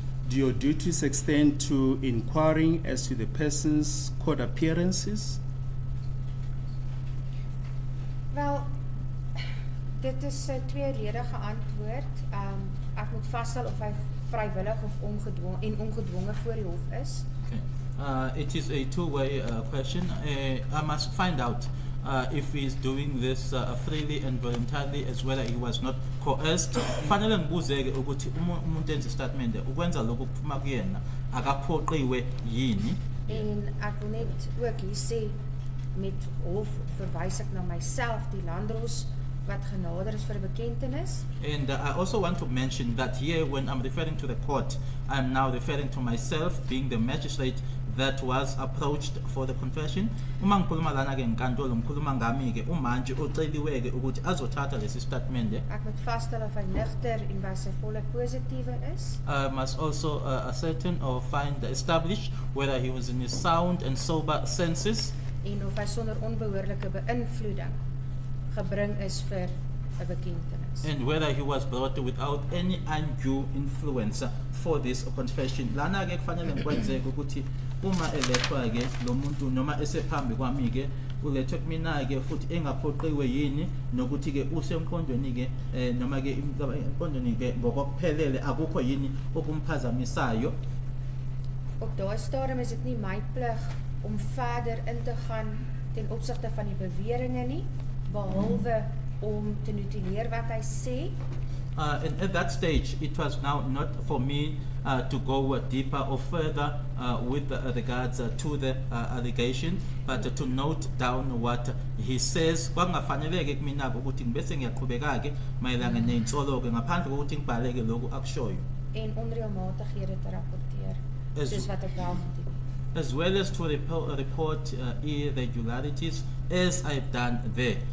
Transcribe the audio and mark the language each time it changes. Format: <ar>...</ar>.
<en>Do your duties extend to inquiring as to the person's court appearances?</en> <af>Well, dit is 'n tweeledige antwoord. Ek moet vasstel of hy vrywillig of ongedwonge voor die hof is.</af> <en>It is a two-way question. I must find out if he is doing this freely and voluntarily, as whether he was not coerced.</en> <zu>Fanele ngibuzeke ukuthi umuntu enze statement ukwenza lokho kuphuma kuyena akaphoqiwe yini.</zu> <af>And ek wil net ook hier sê, met hof verwys ek na myself, die landros wat genader is vir 'n bekentenis.</af> <en>And I also want to mention that here, when I'm referring to the court, I'm now referring to myself being the magistrate that was approached for the confession.</en> <zu>Uma ngikhuluma lana ke ngkantolo ngikhuluma ngami ke umantshi oceliwe ke ukuthi azothatha lesi statement.</zu> <af>Ek moet vasstel of hy nigter en by sy volle positiewe is.</af> <en>I must also ascertain or establish whether he was in his sound and sober senses.</en> <af>En of hy sonder onbehoorlike beïnvloeding gebring is vir 'n bekentenis.</af> <en>And whether he was brought without any undue influence for this confession.</en> <zu>Lana ke kufanele ngikwenzeke ukuthi uma elethwa ke lo muntu noma esephambi kwami ke ulethwe kumina ke futhi engaphoqiwe yini, nokuthi ke usemqondweni ke noma ke emqondweni ke ngokokuphelele akukho yini okumphazamisayo.</zu> <af>Op daai stadium is dit nie my plig om verder in te gaan ten opsigte van die beweringe nie, behalwe om te nutileer wat hy sê.</af> <en>And at that stage, it was now not for me to go deeper or further with regards to the allegation, but to note down what he says.</en> <zu>Kwangafaneleke kumina ukuthi ngibese ngiyaqhubeka ke mayelana nentsolo ke ngaphandle kokuthi ngibhale ke lokhu akushoyo.</zu> <af>En onreëlmatighede te rapporteer, soos wat ek wel gedoen het.</af> <en>as well as to report irregularities as I've done there.</en>